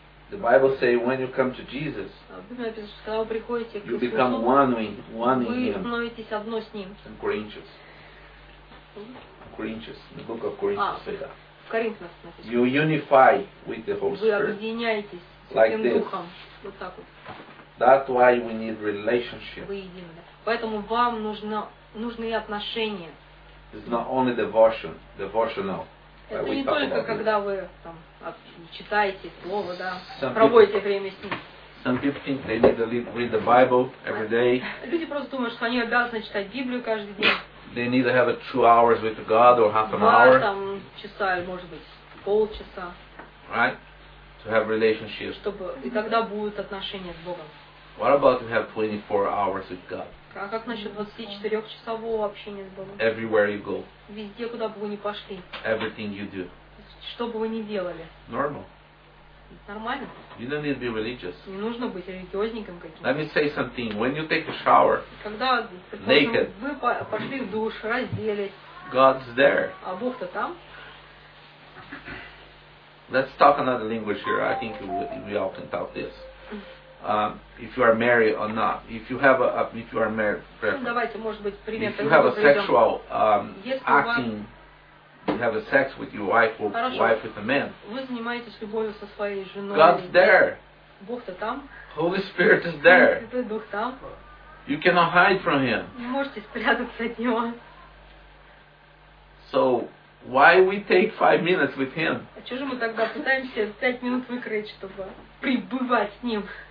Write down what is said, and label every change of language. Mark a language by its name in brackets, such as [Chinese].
[English] The Bible say when you come to Jesus. [Russian] Когда вы приходите к Иисусу. [English] You become one in him. [Russian] Вы становитесь одно с ним. [English] In Corinthians. Corinthians. The book of Corinthians say that. [Russian] В Коринфянах написано. [English] You unify with the Holy Spirit. [Russian] Вы объединяетесь с этим духом. Вот так вот. [English] That's why we need relationship. [Russian] Вы едины. Поэтому вам нужны отношения. [English] It's not only devotion. Devotional. [Russian] Это не только когда вы читаете слово, да, проводите время с ним. [English] Some people think they need to read the Bible every day. [Russian] Люди просто думают, что они обязаны читать Библию каждый день. [English] They need to have 2 hours with God or half an hour. [Russian] Два там часа, может быть, полчаса. [English] Right? To have relationships. [Russian] Чтобы и тогда будут отношения с Богом. [English] What about to have 24 hours with God? [Russian] А как насчет 24-часового общения с Богом? [English] Everywhere you go. [Russian] Везде, куда бы вы ни пошли. [English] Everything you do. [Russian] Что бы вы ни делали. [English] Normal. [Russian] Нормально. [English] You don't need to be religious. [Russian] Не нужно быть религиозником каким-то. [English] Let me say something. When you take a shower, [Russian] когда, [English] naked, [Russian] вы пошли в душ, разделись. [English] God's there. [Russian] А Бог-то там. [English] Let's talk another language here. I think we all can talk this. If you are married or not, if you are married, [Russian] давайте, может быть, пример. [English] If you have a sexual acting, you have a sex with your wife or wife with a man. [Russian] Вы занимаетесь любовью со своей женой. [English] God's there. [Russian] Бог-то там. [English] Holy Spirit is there. [Russian] Святой Дух там. [English] You cannot hide from Him. [Russian] Не можете спрятаться от Него. [English] So Why we take 5 minutes with him? [Russian] А чего же мы тогда пытаемся 5 минут выкроить, чтобы пребывать с ним?